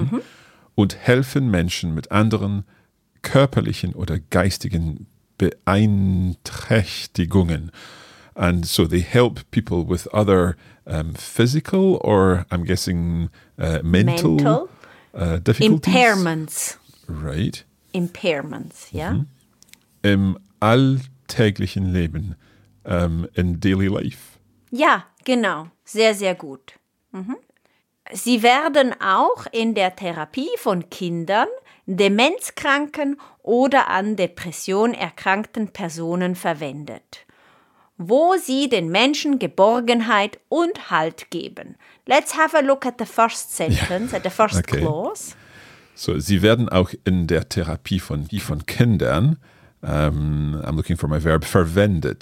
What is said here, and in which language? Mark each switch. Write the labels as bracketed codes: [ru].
[de] Mm-hmm. Und helfen Menschen mit anderen körperlichen oder geistigen Beeinträchtigungen. [en] And so they help people with other physical or, I'm guessing, mental difficulties? Impairments. Right. Impairments, yeah. Mm-hmm. [de] Im alltäglichen Leben, [en] in daily life. [de] Ja, genau. Sehr, sehr gut. Mhm. Sie werden auch in der Therapie von Kindern, demenzkranken oder an Depression erkrankten Personen verwendet, wo sie den Menschen Geborgenheit und Halt geben. [en] Let's have a look at the first sentence, at the first clause. So, [de] sie werden auch in der Therapie von Kindern, [en] I'm looking for my verb, [de] verwendet.